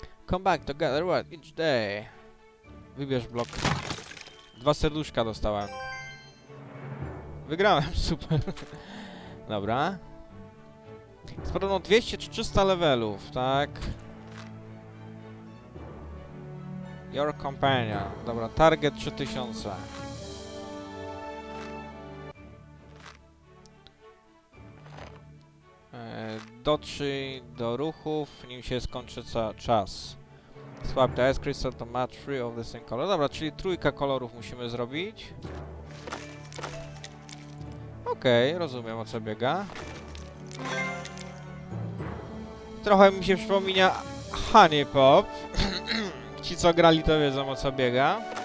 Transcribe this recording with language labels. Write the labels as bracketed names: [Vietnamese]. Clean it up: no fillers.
[English] Come back together each day. [Polish] Wybierz blok. Dwa serduszka dostałem. Wygrałem, super. Dobra. Jest podobno 200 czy 300 levelów, tak? [English] Your companion. [Polish] Dobra, target 3000. Dotrzyj do ruchów, nim się skończy czas. [English] Swap the ice crystal to match three of the same color. [Polish] Dobra, czyli trójka kolorów musimy zrobić. Okej, okay, rozumiem o co biega. Trochę mi się przypomina Honey Pop. Ci co grali to wiedzą o co biega.